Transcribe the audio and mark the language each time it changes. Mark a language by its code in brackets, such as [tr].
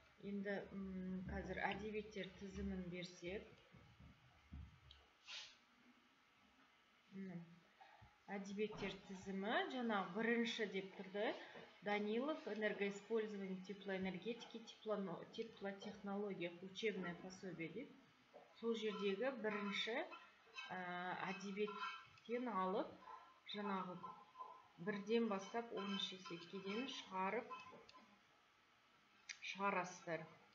[kk] Енді қазір әдебиеттер тізімін берсек, әдебиеттер тізімі жаңа бірінші деп тұрды. [ru] Данилов, энергоиспользование теплоэнергетики, теплотехнология, учебное пособие. [kk] Сол жердегі бірінші әдебиеттен алып, жаңағы бірден бастап 10-шы есепке дейін шығарасыздар.